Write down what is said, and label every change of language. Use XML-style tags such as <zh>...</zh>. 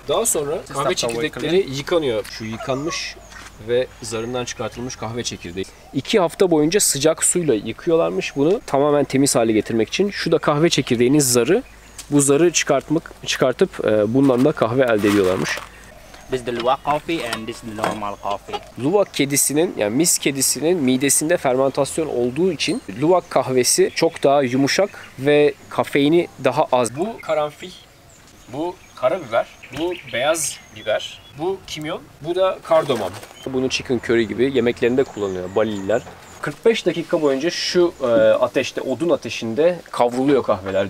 <tr>Daha sonra kahve çekirdekleri yıkanıyor. Şu yıkanmış ve zarından çıkartılmış kahve çekirdeği. 2 hafta boyunca sıcak suyla yıkıyorlarmış bunu tamamen temiz hale getirmek için. Şu da kahve çekirdeğinin zarı. Bu zarı çıkartıp bundan da kahve elde ediyorlarmış.</tr> <en>This is the Luwak coffee and this is the normal coffee.</en> <tr>Luwak kedisinin, yani mis kedisinin midesinde fermentasyon olduğu için Luwak kahvesi çok daha yumuşak ve kafeini daha az. Bu karanfil, bu karabiber, bu beyaz biber, bu kimyon, bu da kardamom. Bunu chicken curry gibi yemeklerinde kullanıyor Baliler. 45 dakika boyunca şu ateşte, odun ateşinde kavruluyor kahveler.</tr>